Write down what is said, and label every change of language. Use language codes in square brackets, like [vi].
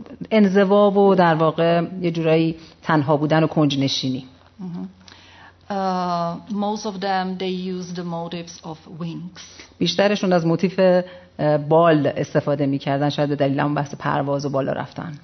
[fa] انزوا و در واقع یه جورایی تنها بودن و کنج نشینی. [en] Most of them they use the motives of wings. [fa] بیشترشون از موتیف بال استفاده می‌کردن، شاید به دلیل اون بحث پرواز و بالا رفتن.